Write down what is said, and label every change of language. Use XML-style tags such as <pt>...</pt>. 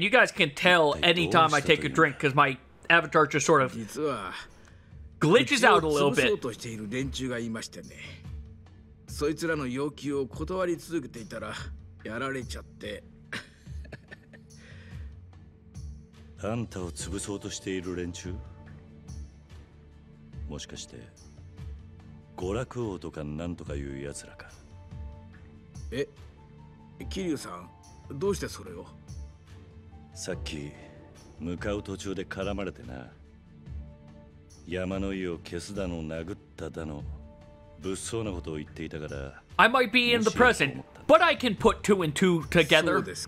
<en>you guys can tell anytime I take a drink because my avatar just sort of glitches out a little bit.</en> <ja>そいつらの要求を断り続けていたらやられちゃって。あんたを潰そうとしている連中?もしかして娯楽王とかなんとかいうやつらか?え?キリュウさん、どうしてそれを?さっき向かう途中で絡まれてな。</ja> <en>I might be in the present, but I can put two and two together.</en>